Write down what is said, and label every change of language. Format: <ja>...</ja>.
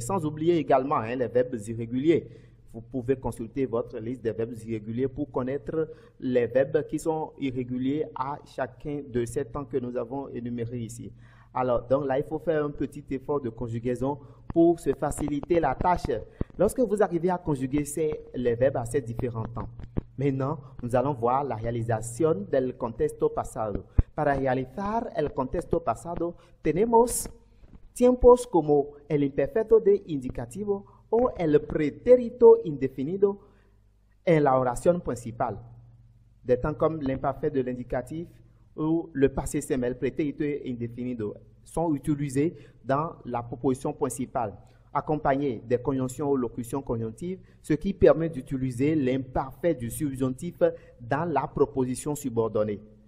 <fr>Sans oublier également les verbes irréguliers. Vous pouvez consulter votre liste des verbes irréguliers pour connaître les verbes qui sont irréguliers à chacun de ces temps que nous avons énumérés ici. Alors, donc là, il faut faire un petit effort de conjugaison pour se faciliter la tâche. Lorsque vous arrivez à conjuguer les verbes à ces différents temps, maintenant, nous allons voir la réalisation del contexto pasado.</fr> <es>Para realizar el contexto pasado, tenemos tiempos como el imperfecto de indicativo o el pretérito indefinido en la oración principal.</es> <fr>Des temps comme l'imparfait de l'indicatif ou le passé simple,</fr> <es>el pretérito indefinido,</es> <fr>sont utilisés dans la proposition principale, accompagné des conjonctions ou locutions conjonctives, ce qui permet d'utiliser l'imparfait du subjonctif dans la proposition subordonnée.</fr>